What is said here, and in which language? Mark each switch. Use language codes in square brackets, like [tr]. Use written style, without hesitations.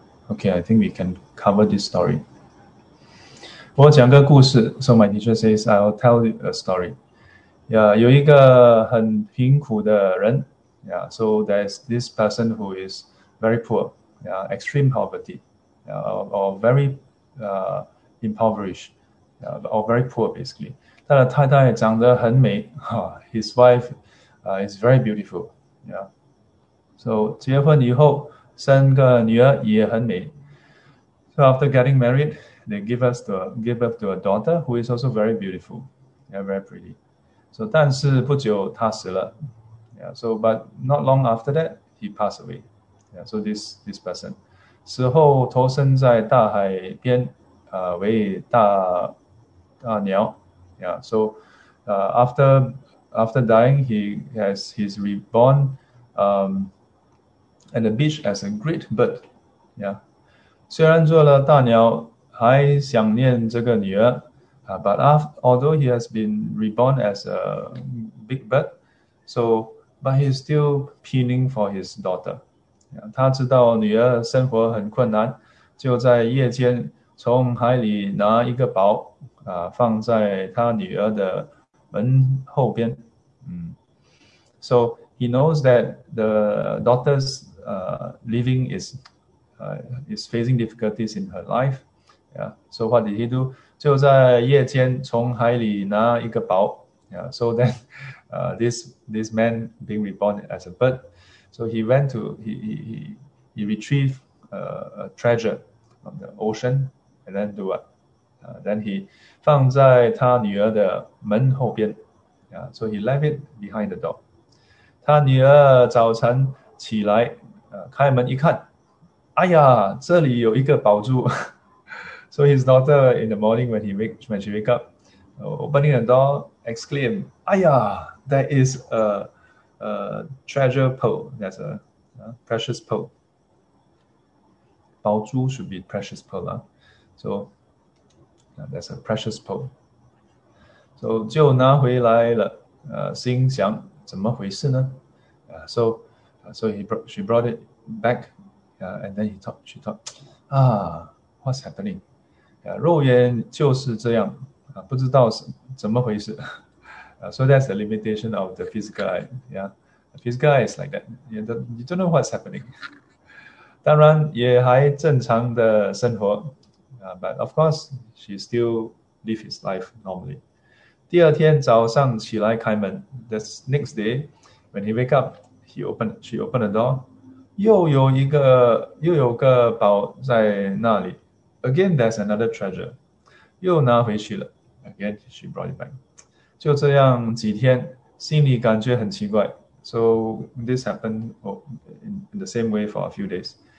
[en] Okay, I think we can cover this story. [zh] 我讲个故事， [en] So my teacher says I'll tell a story。 [zh] 有一个很贫苦的人 [en] So there's this person who is very poor, extreme poverty, or very impoverished, or very poor, basically. [zh] 他的太太长得很美, [en] his wife is very beautiful, So [zh] 结婚以后生个女儿也很美. [en] So after getting married, they give birth to a daughter who is also very beautiful, very pretty. [zh] So 但是不久她死了. [en] But not long after that, he passed away. So this person, [zh] 死后投身在大海边, 为大鸟. [en] After dying, he's reborn, at the beach as a great bird. [zh] 虽然做了大鸟, 还想念这个女儿, [en] although he has been reborn as a big bird, but he's still pining for his daughter. [zh] 他知道女儿生活很困难, 就在夜间从海里拿一个宝, 放在他女儿的门后边. [en] So he knows that the daughter's living is facing difficulties in her life. So what did he do? [zh] 就在夜间从海里拿一个宝. [en] So then this man being reborn as a bird, so he went to he retrieved a treasure from the ocean, and then do what? Then he [zh] 放在他女儿的门后边. [en] So he left it behind the door. [zh] 他女儿早晨起来, 开门一看, 哎呀, 这里有一个宝珠. [en] So his daughter in the morning when she wake up, opening the door, exclaimed, "Aya, that is a treasure pearl. That's a precious pearl." 宝珠 should be precious pearl. So that's a precious pearl. [zh] So 就拿回来了, 心想怎么回事呢? [en] She brought it back, and then she thought, "Ah, what's happening? [zh] 肉眼就是这样." 不知道是怎么回事, [en] so that's the limitation of the physical eye. The physical eye is like that. You don't know what's happening. [zh] 当然也还正常的生活, [en] but of course she still live his life normally. [zh] 第二天早上起来开门, [en] that's next day when he wake up, she opened the door, [zh] 又有个宝在那里. [en] Again, there's another treasure. [zh] 又拿回去了. [en] Again, she brought it back. [zh] 就这样几天, 心里感觉很奇怪. [en] So this happened in the same way for a few days.